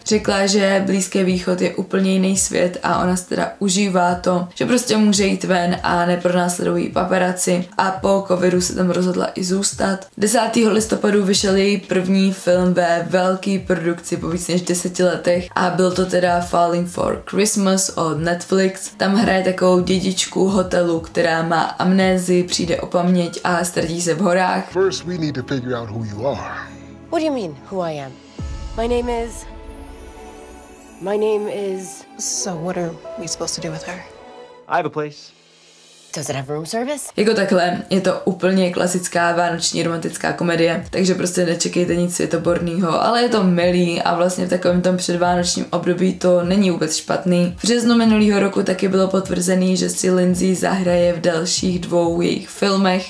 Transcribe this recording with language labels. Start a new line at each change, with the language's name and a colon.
Czech: Řekla, že Blízký východ je úplně jiný svět a ona se teda užívá to, že prostě může jít ven a nepronásledují paparazzi a po covidu se tam rozhodla i zůstat. 10. listopadu vyšel její první film ve velké produkci po víc než 10 letech a byl to teda Falling for Christmas od Netflix. Tam hraje takovou dědičku hotelu, která má amnézii, přijde o paměť a ztratí se v horách.
English: First we need to figure out who you are. What do you mean who I am? My name is So what are we supposed to do with her? I have a place. Does it have room service?
Czech: Jako takhle, je to úplně klasická vánoční romantická komedie, takže prostě nečekejte nic světoborného, ale je to milý a vlastně v takovém tom předvánočním období to není vůbec špatný. V březnu minulého roku taky bylo potvrzený, že si Lindsay zahraje v dalších 2 jejich filmech.